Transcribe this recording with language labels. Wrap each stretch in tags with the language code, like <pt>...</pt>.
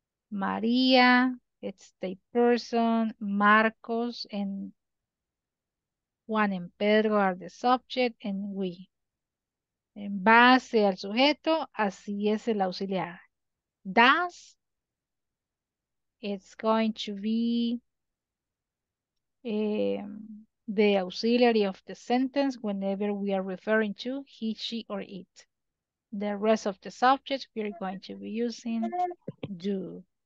<en>Maria, it's the person, Marcos, and Juan and Pedro are the subject, and we.</en> <es>En base al sujeto, así es el auxiliar.</es> <en>Does, it's going to be the auxiliary of the sentence whenever we are referring to he, she, or it. The rest of the subject, we are going to be using do.</en>